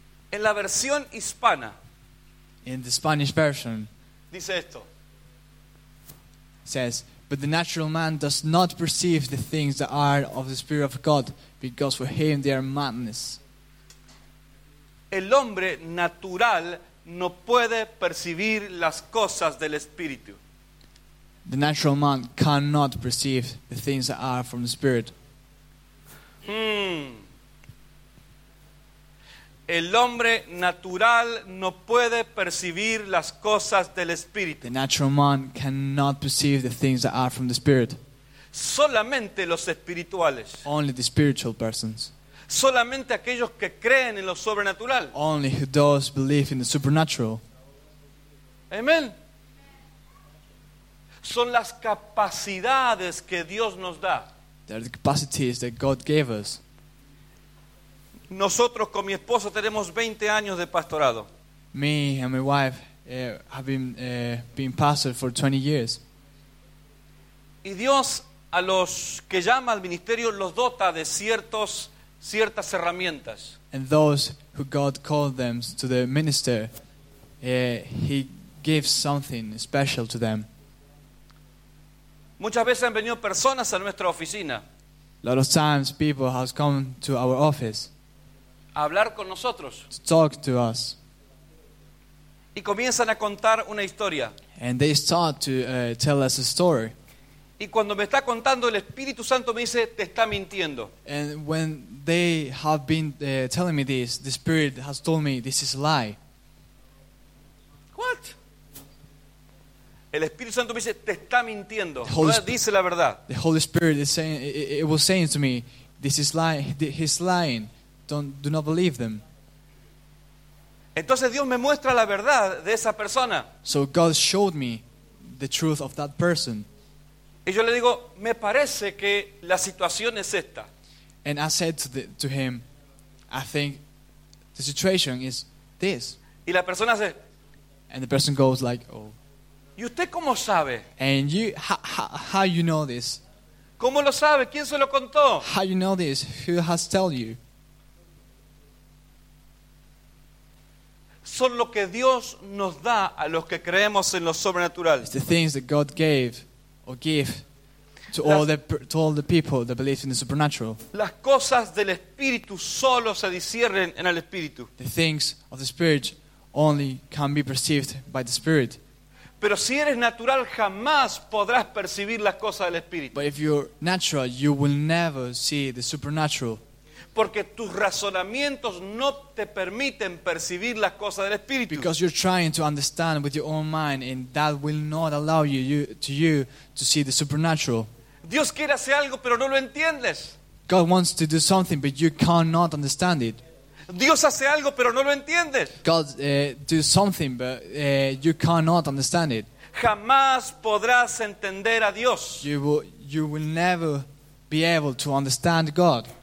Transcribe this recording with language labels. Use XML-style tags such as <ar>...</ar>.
<es>En la versión hispana,</es> <en>in the Spanish version,</en> <es>dice esto.</es> <en>Says, but the natural man does not perceive the things that are of the Spirit of God, because for him they are madness.</en> <es>El hombre natural no puede percibir las cosas del Espíritu.</es> <en>The natural man cannot perceive the things that are from the Spirit.</en> <es>El hombre natural no puede percibir las cosas del Espíritu.</es> <en>The natural man cannot perceive the things that are from the Spirit.</en> <es>Solamente los espirituales.</es> <en>Only the spiritual persons.</en> <es>Solamente aquellos que creen en lo sobrenatural.</es> <en>Only those believe in the supernatural. Amen.</en> <es>Son las capacidades que Dios nos da.</es> <en>They're the capacities that God gave us.</en> <es>Nosotros con mi esposa tenemos 20 años de pastorado.</es> <en>Me and my wife have been pastor for 20 years.</en> <es>Y Dios a los que llama al ministerio los dota de ciertas herramientas.</es> <en>And those who God called them to the minister, he gives something special to them.</en> <es>Muchas veces han venido personas a nuestra oficina.</es> <en>A lot of times people have come to our office.</en> <es>Hablar con nosotros.</es> <en>To talk to us.</en> <es>Y comienzan a contar una historia.</es> <en>And they start to tell us a story.</en> <es>Y cuando me está contando, el Espíritu Santo me dice, te está mintiendo.</es> <en>And when they have been telling me this, the Spirit has told me this is a lie. What?</en> <es>El Espíritu Santo me dice, te está mintiendo. No dice la verdad.</es> <en>The Holy Spirit is saying, it was saying to me, this is lying. He's lying. Do not believe them.</en> <es>Entonces Dios me muestra la verdad de esa persona.</es> <en>So God showed me the truth of that person.</en> <es>Y yo le digo, me parece que la situación es esta.</es> <en>And I said to him, I think the situation is this.</en> <es>Y la persona hace.</es> <en>And the person goes like, oh.</en> <es>¿Y usted cómo sabe?</es> <en>And you, how you know this?</en> <es>¿Cómo lo sabe? ¿Quién se lo contó?</es> <en>How you know this? Who has told you?</en> <es>Son lo que Dios nos da a los que creemos en lo sobrenatural.</es> <en>It's the things that God gave or give to all the people that believe in the supernatural.</en> <es>Las cosas del Espíritu solo se disciernen en el Espíritu.</es> <en>The things of the Spirit only can be perceived by the Spirit.</en> <es>Pero si eres natural, jamás podrás percibir las cosas del Espíritu.</es> <en>But if you're natural, you will never see the supernatural.</en> <es>porque tus razonamientos no te permiten percibir las cosas del Espíritu.</es> <en>Because you're trying to understand with your own mind, and that will not allow you to see the supernatural.</en> <es>Dios quiere hacer algo, pero no lo entiendes.</es> <en>God wants to do something, but you cannot understand it.</en> <es>Dios hace algo, pero no lo entiendes.</es> <en>God do something, but you cannot understand it.</en> <es>Jamás podrás entender a Dios.</es> <en>You will never be able to understand God.</en>